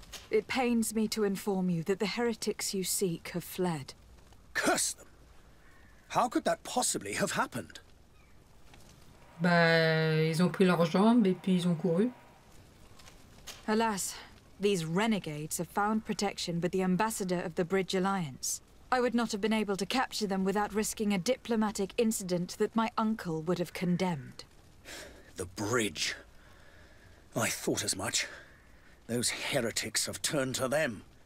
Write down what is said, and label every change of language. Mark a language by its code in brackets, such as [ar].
[en] It pains me to inform you that the heretics you seek have fled. Curse them! How could that possibly have happened? [fr] Bah, ils ont pris leurs jambes et puis ils ont couru. [en] Alas, these renegades have found protection with the ambassador of the Bridge Alliance. I would not have been able to capture them without risking a diplomatic incident that my uncle would have condemned. The bridge. I thought as much. Those heretics have turned to them.